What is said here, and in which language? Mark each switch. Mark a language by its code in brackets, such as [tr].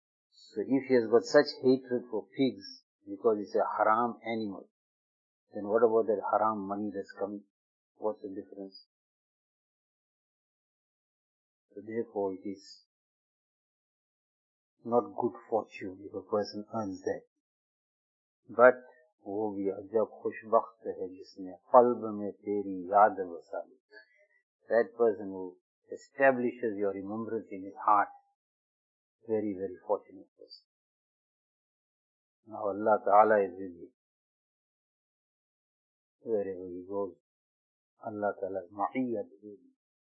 [en] So if he has got such hatred for pigs because it's a haram animal, then what about that haram money that's coming? What's the difference? So therefore it is not good fortune if a person earns that. But [ur] وہ بھی عجب خوشبخت ہے جس نے قلب میں تیری یاد بسا لی. [en] That person who establishes your remembrance in his heart, very very fortunate person. Now Allah Ta'ala is with him. Wherever he goes, Allah Ta'ala's ma'iyyat is with him.